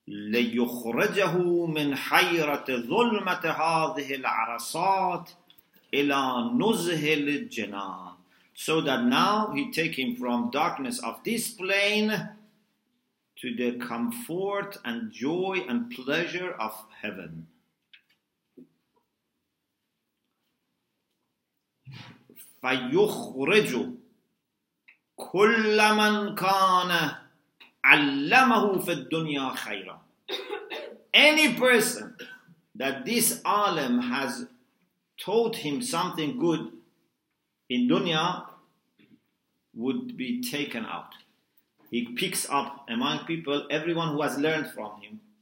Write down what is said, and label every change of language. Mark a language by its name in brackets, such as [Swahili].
[Arabic] لَيُخْرَجَهُ مِنْ حَيْرَةِ ظُلْمَةِ هَذِهِ الْعَرَصَاتِ إِلَى نُزْهِ الْجِنَانِ. [English] So that now he take him from darkness of this plane to the comfort and joy and pleasure of heaven. [Arabic] فَيُخْرَجُ كل من كان علمه في الدنيا خيرا. [English] Any person that this alim has taught him something good in dunya would be taken out. He picks up among people everyone who has learned from him.